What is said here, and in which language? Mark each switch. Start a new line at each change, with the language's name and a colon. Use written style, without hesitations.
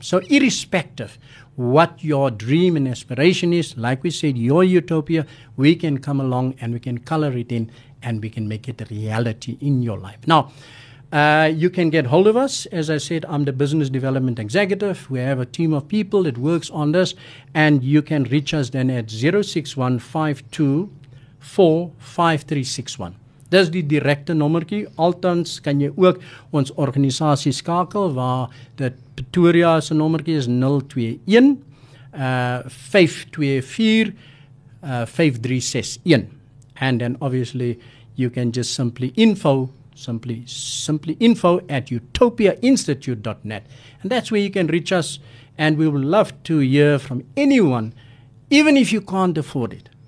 English: So irrespective what your dream and aspiration is, like we said, your utopia, we can come along and we can color it in, and we can make it a reality in your life. Now, you can get hold of us. As I said, I'm the business development executive. We have a team of people that works on this, and you can reach us then at 061-524-5361.
Afrikaans: Dis die direkte nommerkie. Althans, kan jy ook ons organisasie skakel, waar dit Pretoria se nommerkie is 021 524 5361.
English: And then obviously you can just simply info at utopiainstitute.net. And that's where you can reach us, and we would love to hear from anyone, even if you can't afford it.